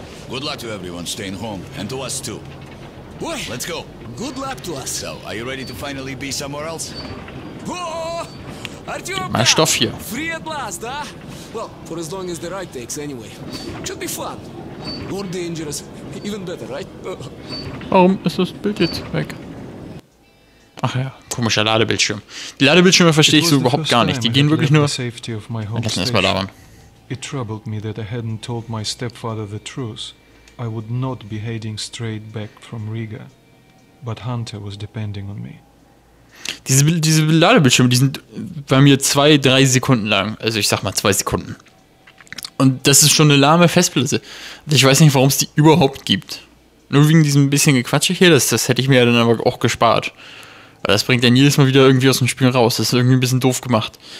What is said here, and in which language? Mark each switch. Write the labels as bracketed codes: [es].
[en] Good luck to everyone staying home and to us too. Boy. Let's go. Good luck to us. So, are you ready to finally be somewhere else? Whoa! [de] Gib mal Stoff hier. [en] Free at last, huh? Well, for as long as the ride takes anyway. Should be fun. More dangerous. Even better, right? [de] Warum ist das Bild jetzt weg? Ach ja, komischer Ladebildschirm. Die Ladebildschirme verstehe ich so überhaupt gar nicht. Die gehen wirklich nur... Lass uns erstmal labern. [en] It troubled me that I hadn't told my stepfather the truth. I would not be heading straight back from Riga. But Hunter was depending on me. [de] Diese Ladebildschirme, die sind bei mir 2-3 Sekunden lang. Also ich sag mal 2 Sekunden. Und das ist schon eine lahme Festplatte. Ich weiß nicht, warum es die überhaupt gibt. Nur wegen diesem bisschen Gequatsche hier, das hätte ich mir ja dann aber auch gespart. Weil das bringt dann jedes Mal wieder irgendwie aus dem Spiel raus. Das ist irgendwie ein bisschen doof gemacht.